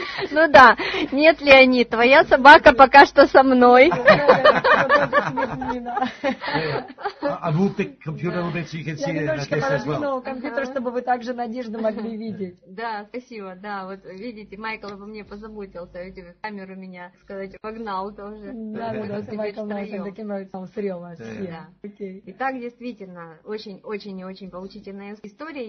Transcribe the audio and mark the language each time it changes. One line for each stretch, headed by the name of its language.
Russian: Ну да, нет, Леонид, твоя собака пока что со мной.
English: I moved the computer a little bit so you can see it as well.
Russian: Я подвинула компьютер, чтобы вы также Надежду могли видеть. Да, спасибо, да, вот видите, Майкл обо мне позаботился, эти камеры меня, сказать, погнал тоже. Да, да, Майкл на этой камере там срел вас. Итак, действительно, очень-очень-очень поучительная история.